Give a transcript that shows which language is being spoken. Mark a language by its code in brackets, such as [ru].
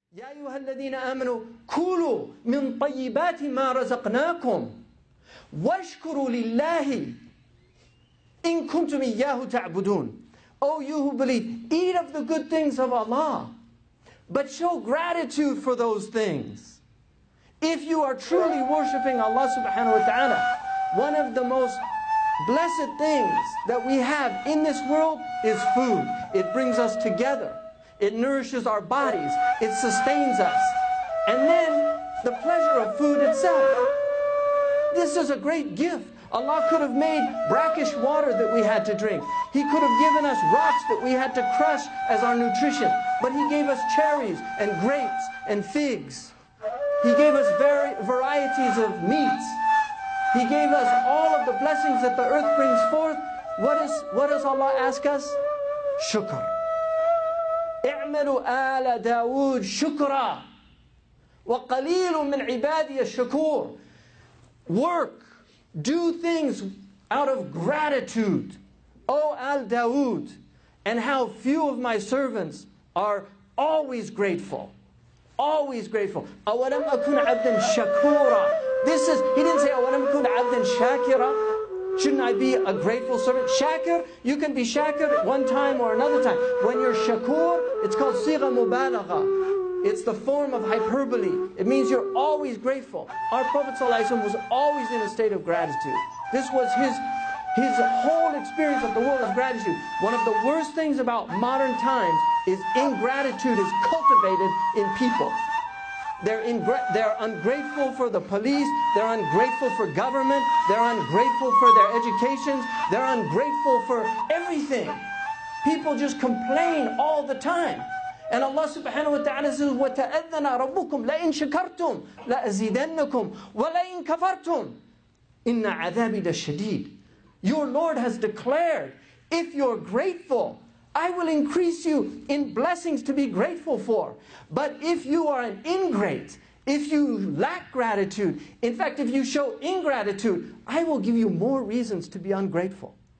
[ar] يا أيها الذين آمنوا كلوا من طيبات ما رزقناكم واشكروا لله إن كنتم إياه تعبدون. [en] Oh, you who believe, eat of the good things of Allah, but show gratitude for those things. If you are truly worshiping Allah subhanahu wa ta'ala, one of the most blessed things that we have in this world is food. It brings us together. It nourishes our bodies. It sustains us. And then the pleasure of food itself. This is a great gift. Allah could have made brackish water that we had to drink. He could have given us rocks that we had to crush as our nutrition. But He gave us cherries and grapes and figs. He gave us varieties of meats. He gave us all of the blessings that the earth brings forth. What does Allah ask us? Shukr. [ar] اعملوا آل داود شكرا وقليل من عبادي الشكور. [en] Work. Do things out of gratitude. O Al Dawood, and how few of my servants are always grateful. Always grateful. [ar] أَوَلَمْ أَكُنْ عَبْدًا شَكُورًا. [en] This is, he didn't say, [ar] أَوَلَمْ أَكُنْ عَبْدًا شَاكِرًا. [en] Shouldn't I be a grateful servant? Shakir, you can be shakir one time or another time. When you're shakur, it's called siga mubalagha. It's the form of hyperbole. It means you're always grateful. Our Prophet was always in a state of gratitude. This was his whole experience of the world of gratitude. One of the worst things about modern times is ingratitude is cultivated in people. They're ungrateful for the police, they're ungrateful for government, they're ungrateful for their educations, they're ungrateful for everything. People just complain all the time. And Allah subhanahu wa ta'ala says, [ar] وَتَأَذَّنَا رَبُّكُمْ لَإِن شَكَرْتُمْ لَأَزِيدَنَّكُمْ وَلَإِن كَفَرْتُمْ إِنَّ عَذَابِي لَشَدِيدٌ. [en] Your Lord has declared, if you're grateful, I will increase you in blessings to be grateful for. But if you are an ingrate, if you lack gratitude, in fact, if you show ingratitude, I will give you more reasons to be ungrateful.